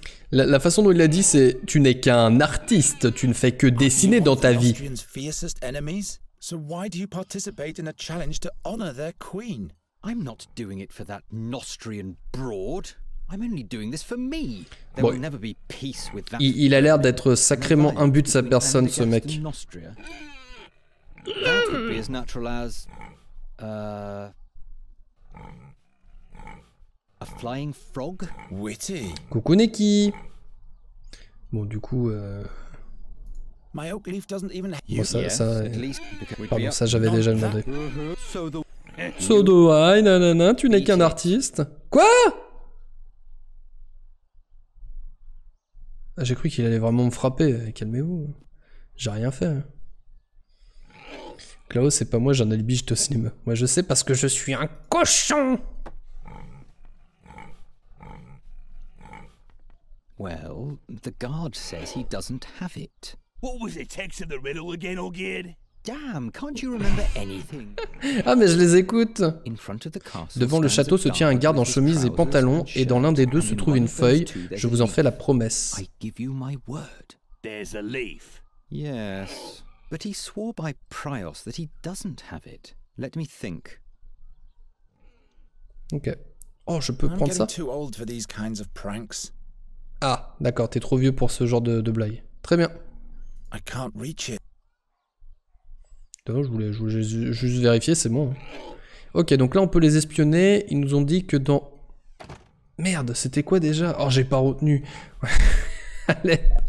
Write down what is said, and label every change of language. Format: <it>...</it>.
<fr>La façon dont il l'a dit, c'est tu n'es qu'un artiste, tu ne fais que dessiner dans ta vie.</fr> <en>Austrian's fiercest enemies? So why do you participate in a challenge to honor their queen? I'm not doing it for that Nostrian broad. I'm only doing this for me. There will never be peace with that.</en> <fr>Il a l'air d'être sacrément imbu de sa personne, ce mec.</fr> <en>That would be as natural as a flying frog. Witty.</en> <fr>Coucou Neki. Bon, du coup.</fr> <en>My oak leaf doesn't even.</en> <fr>Bon, ça. Pardon, ça j'avais déjà demandé. Sodoai, nanana, tu n'es qu'un artiste. Quoi? Ah, j'ai cru qu'il allait vraiment me frapper. Calmez-vous. J'ai rien fait. Klaus, c'est pas moi, j'ai un alibi, j'étais au cinéma. Moi, je sais parce que je suis un cochon.</fr> <en>Well, the guard says he doesn't have it. What was the text of the riddle again, Ogierd? Damn, can't you remember anything?</en> <fr>Ah, mais je les écoute.</fr> <en>In front of the castle.</en> <fr>Devant le château se tient un garde en chemise et pantalon, et dans l'un des deux se trouve une feuille. Je vous en fais la promesse.</fr> <en>I give you my word. There's a leaf. Yes, but he swore by Prios that he doesn't have it. Let me think.</en> <fr>Ok. Oh, je peux prendre ça.</fr> <en>I'm getting too old for these kinds of pranks.</en> <fr>Ah, d'accord, t'es trop vieux pour ce genre de blague. Très bien.</fr> <en>I can't reach it.</en> <fr>Non, je voulais juste vérifier, c'est bon. Ok, donc là on peut les espionner. Ils nous ont dit que dans... Merde, c'était quoi déjà? Oh, j'ai pas retenu. Allez.</fr>